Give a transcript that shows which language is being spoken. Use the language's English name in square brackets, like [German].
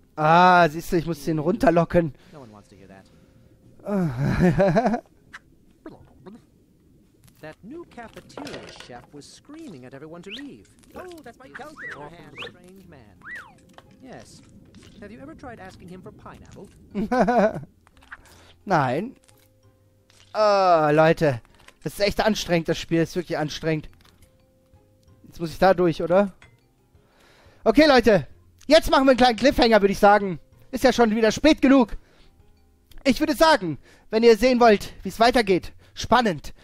[German] Ah, siehst du, ich muss den runterlocken. [English] No one wants to hear that. That new cafeteria chef was screaming at everyone to leave. Oh, that's my calculator hand, strange man. Yes. Have you ever tried asking him for pineapple? [German] Nein. Oh, Leute. Das ist echt anstrengend, das Spiel. Das ist wirklich anstrengend. Jetzt muss ich da durch, oder? Okay, Leute. Jetzt machen wir einen kleinen Cliffhanger, würde ich sagen. Ist ja schon wieder spät genug. Ich würde sagen, wenn ihr sehen wollt, wie es weitergeht, spannend.